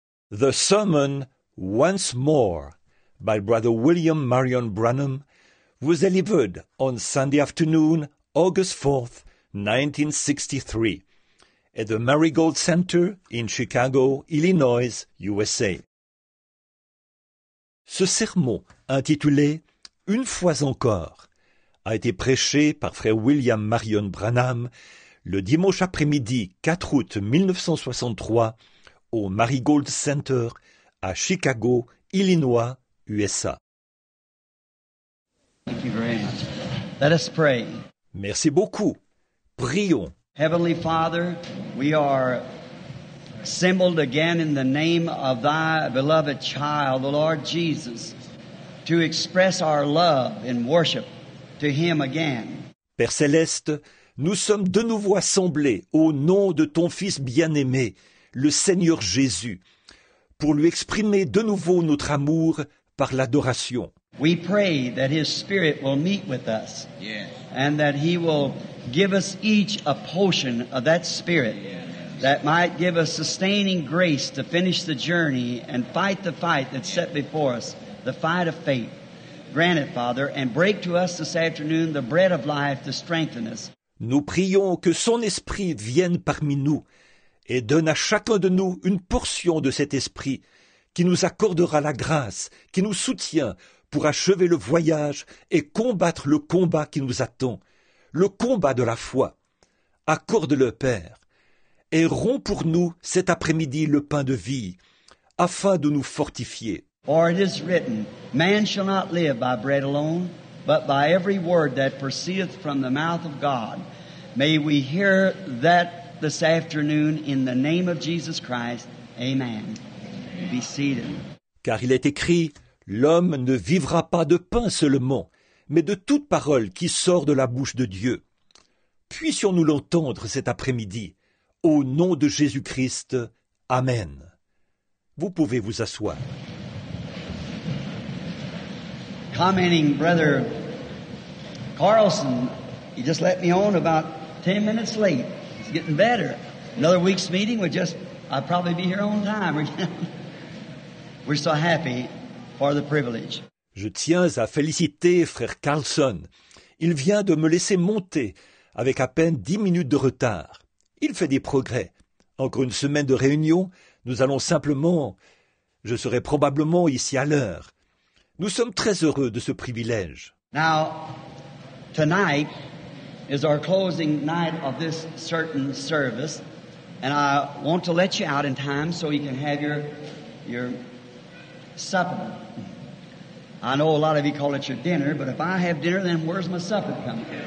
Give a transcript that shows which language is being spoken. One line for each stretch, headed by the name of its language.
English: The Sermon Once More by Brother William Marion Branham was delivered on Sunday afternoon, August 4, 1963, at the Marigold Center in Chicago, Illinois, USA.
French: Ce sermon, intitulé « Une fois encore », a été prêché par Frère William Marion Branham le dimanche après-midi 4 août 1963 au Marigold Center à Chicago, Illinois, USA.
English: Thank you very much. Let us pray.
French: Merci beaucoup. Prions.
English: Heavenly Father, we are assembled again in the name of thy beloved child, the Lord Jesus, to express our love and worship to him again.
French: Père Céleste, nous sommes de nouveau assemblés au nom de ton Fils bien-aimé, le Seigneur Jésus, pour lui exprimer de nouveau notre amour par l'adoration.
English: We pray that his spirit will meet with us. Yes. And that he will give us each a portion of that spirit. Yes. That might give us sustaining grace to finish the journey and fight the fight that's set before us, the fight of faith. Grant it, Father, and break to us this afternoon the bread of life to strengthen us.
French: Nous prions que son esprit vienne parmi nous et donne à chacun de nous une portion de cet esprit qui nous accordera la grâce, qui nous soutient pour achever le voyage et combattre le combat qui nous attend, le combat de la foi. Accorde-le, Père, et romps pour nous cet après-midi le pain de vie, afin de nous fortifier.
English: For it is written, man shall not live by bread alone, but by every word that proceedeth from the mouth of God. May we hear that this afternoon in the name of Jesus Christ. Amen. Be seated.
French: Car il est écrit, l'homme ne vivra pas de pain seulement, mais de toute parole qui sort de la bouche de Dieu. Puissions-nous l'entendre cet après-midi. Au nom de Jésus-Christ, amen. Vous pouvez vous asseoir.
English: Commenting, Brother Carlson, he just let me on about 10 minutes late. It's getting better. Another week's meeting would just, I'd probably be here on time. We're so happy for the privilege.
French: Je tiens à féliciter Frère Carlson. Il vient de me laisser monter avec à peine 10 minutes de retard. Il fait des progrès. Encore une semaine de réunion, nous allons simplement, je serai probablement ici à l'heure. Nous sommes très heureux de ce privilège.
English: Now, tonight is our closing night of this certain service, and I want to let you out in time so you can have your supper. I know a lot of you call it your dinner, but if I have dinner, then where's my supper coming?